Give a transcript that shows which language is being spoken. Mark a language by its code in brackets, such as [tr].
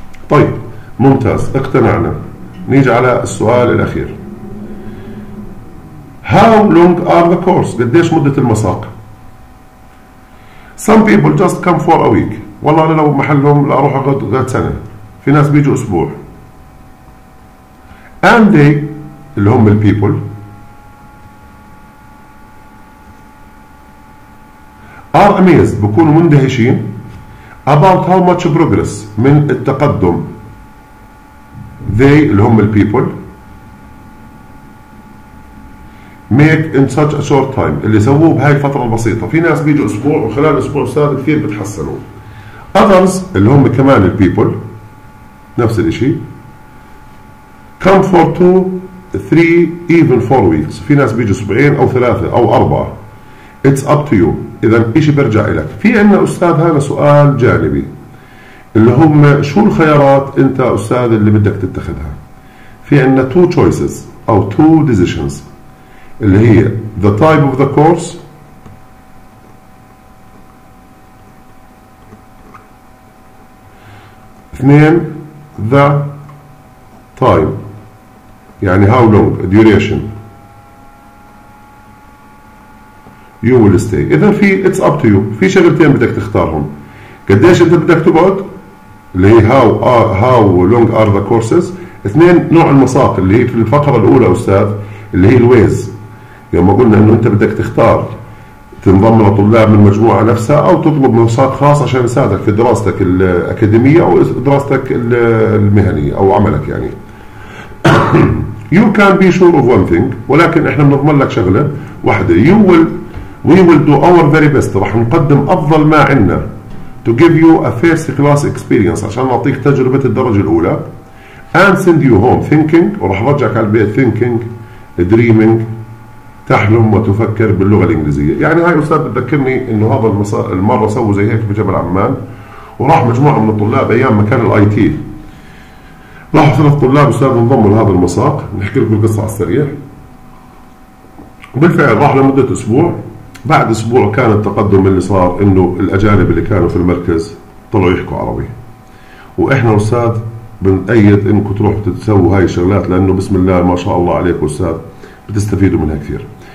[ar] طيب ممتاز اقتنعنا. نيجي على السؤال الأخير، [en] how long are the course، [ar] قديش مدة المساق؟ [en] some people just come for a week، [ar] والله أنا لو محلهم لا أروح أقعد قد سنة، في ناس بيجوا أسبوع. [en] And they [ar] اللي هم [en] the people are amazed، [ar] بكونوا مندهشين [en] about how much progress، [ar] من التقدم [en] they [ar] اللي هم [en] the people make in such a short time، [ar] اللي سووه بهاي الفترة البسيطة. في ناس بيجوا أسبوع وخلال أسبوع صار كثير بتحسنوا. [en] Others [ar] اللي هم كمان [en] the people [ar] نفس الاشي [en] come for 2, 3, even 4 weeks. [ar] في ناس بيجوا أسبوعين أو ثلاثة أو أربعة. [en] It's up to you. [ar] إذا إيش برجع لك؟ في عنا أستاذ هنا سؤال جانبي اللي هم شو الخيارات أنت أستاذ اللي بدك تتخذها؟ في عنا [en] two choices [ar] أو [en] two decisions [ar] اللي هي [en] the type of the course [ar] اثنين [en] the time [ar] يعني [en] how long duration you will stay. [ar] إذا في [en] it's up to you، [ar] في شغلتين بدك تختارهم، قديش أنت بدك تبعد اللي هي [en] how long are the courses، [ar] اثنين نوع المساق اللي هي في الفقرة الأولى أستاذ اللي هي الويز، يوم قلنا أنه أنت بدك تختار تنضم لطلاب من مجموعة نفسها أو تطلب مساق خاص عشان يساعدك في دراستك الأكاديمية أو دراستك المهنية أو عملك يعني. You can be sure of one thing، ولكن احنا بنضمن لك شغلة واحدة، we will do our very best، رح نقدم افضل ما عندنا to give you a first class experience عشان نعطيك تجربة الدرجة الاولى، and send you home thinking، ورح رجعك على البيت thinking dreaming، تحلم وتفكر باللغة الانجليزية. يعني هاي استاذ بتذكرني انه هذا المرة سووا زي هيك بجبل عمان، وراح مجموعة من الطلاب ايام مكان الاي تي، راحوا ثلاث طلاب أستاذ انضموا لهذا المساق. نحكي لكم القصة على السريع، بالفعل راح لمدة أسبوع، بعد أسبوع كان التقدم اللي صار إنه الأجانب اللي كانوا في المركز طلعوا يحكوا عربي، وإحنا أستاذ بنأيد إنكم تروحوا تتسووا هاي الشغلات، لأنه بسم الله ما شاء الله عليك أستاذ بتستفيدوا منها كثير.